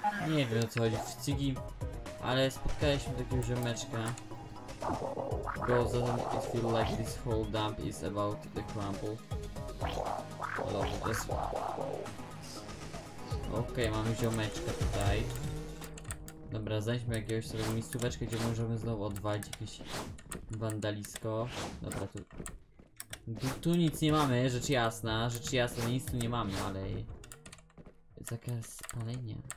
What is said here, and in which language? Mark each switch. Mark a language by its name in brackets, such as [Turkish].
[Polish] Nie wiem o co chodzi w Cigi, ale spotkaliśmy takiego ziomeczka. [English] Goes on, it feels like this whole dump is about to crumble. [Polish] Okej, mamy ziomeczka tutaj. Dobra, znajdźmy jakiegoś sobie miejscóweczkę, gdzie możemy znowu odwalić jakieś wandalisko. Dobra, tu nic nie mamy, rzecz jasna, nic tu nie mamy, ale zakaz spalenia.